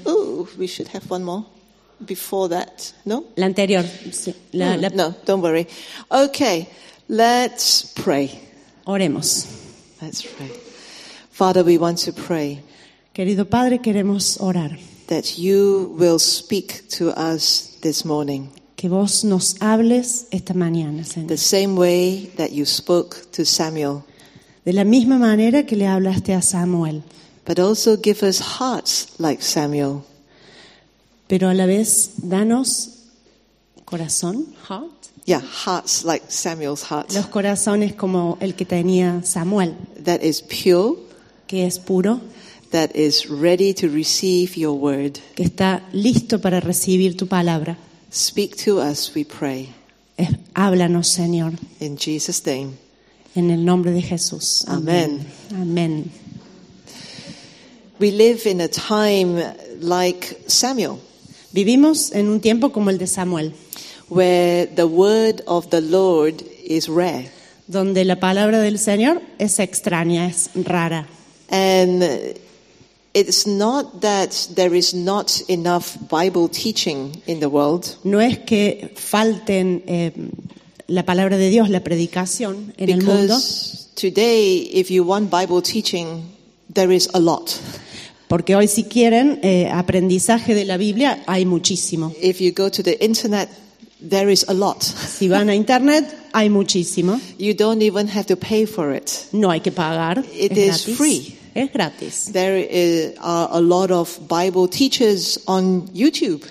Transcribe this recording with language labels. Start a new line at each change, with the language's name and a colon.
English: Oh, we should have one more before that, no?
Spanish: La anterior, sí.
English: No, don't worry. Okay, let's pray.
Spanish: Oremos.
English: Let's pray. Father, we want to pray.
Spanish: Querido Padre, queremos orar.
English: That you will speak to us this morning.
Spanish: Que vos nos hables esta mañana, Señor.
English: The same way that you spoke to Samuel.
Spanish: De la misma manera que le hablaste a Samuel.
English: But also give us hearts like Samuel.
Spanish: Pero a la vez, danos corazón, heart.
English: Yeah, hearts like Samuel's hearts.
Spanish: Los corazones como el que tenía Samuel.
English: That is pure.
Spanish: Que es puro.
English: That is ready to receive your word.
Spanish: Que está listo para recibir tu palabra.
English: Speak to us, we pray.
Spanish: Háblanos, Señor.
English: In Jesus' name.
Spanish: En el nombre de Jesús.
English: Amen. Amen. We live in a time like Samuel.
Spanish: Vivimos en un tiempo como el de Samuel.
English: Where the word of the Lord is rare.
Spanish: Donde la palabra del Señor es extraña, es rara.
English: And it's not that there is not enough Bible teaching in the world.
Spanish: No es que falten la palabra de Dios, la predicación en el mundo.
English: Because today, if you want Bible teaching, there is a lot.
Spanish: Porque hoy, si quieren aprendizaje de la Biblia, hay muchísimo.
English: If you go to the internet, there is a lot.
Spanish: Si van a internet, hay muchísimo.
English: You don't even have to pay for it.
Spanish: No hay que pagar.
English: It is free.
Spanish: Es gratis.
English: There are a lot of Bible teachers on YouTube.